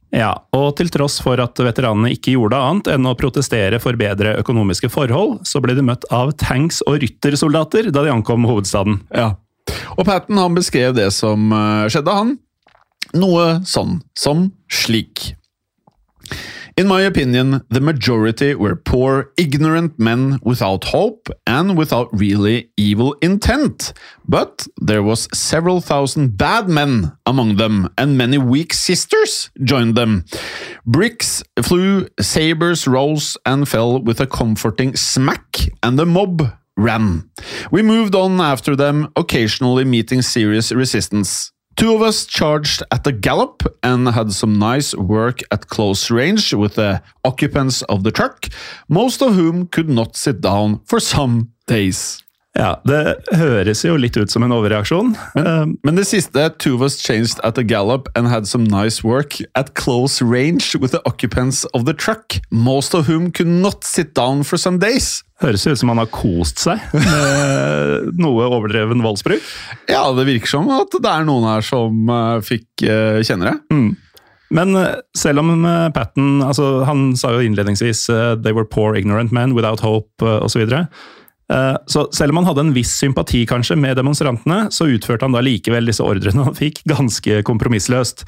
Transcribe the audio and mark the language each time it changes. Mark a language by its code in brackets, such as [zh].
[no] Ja, og til tross for at veteranene ikke gjorde annet enn å protestere for bedre økonomiske forhold, så ble de møtt av tanks- og ryttersoldater da de ankom hovedstaden. Ja. Og Patton, han beskrev det som skjedde han, noe sånn som slik. [en] In my opinion, the majority were poor, ignorant men without hope and without really evil intent. But there was several thousand bad men among them, and many weak sisters joined them. Bricks flew, sabers rose and fell with a comforting smack, and the mob ran. We moved on after them, occasionally meeting serious resistance. Two of us charged at a gallop and had some nice work at close range with the occupants of the truck, most of whom could not sit down for some days. [no] Ja, det høres jo litt ut som en overreaksjon. Men det siste, [en] two of us changed at a gallop and had some nice work at close range with the occupants of the truck, most of whom could not sit down for some days. [no] Høres ut som han har kost seg med noe overdreven voldsbruk. Ja, det virker som at det er noen her som fikk kjenne det. Mm. Men selv om Patton, altså, han sa jo innledningsvis [en] «they were poor, ignorant men, without hope», [no] og så videre, så selv om han hadde en viss sympati kanskje med demonstrantene, så utførte han da likevel disse ordrene han fikk ganske kompromissløst.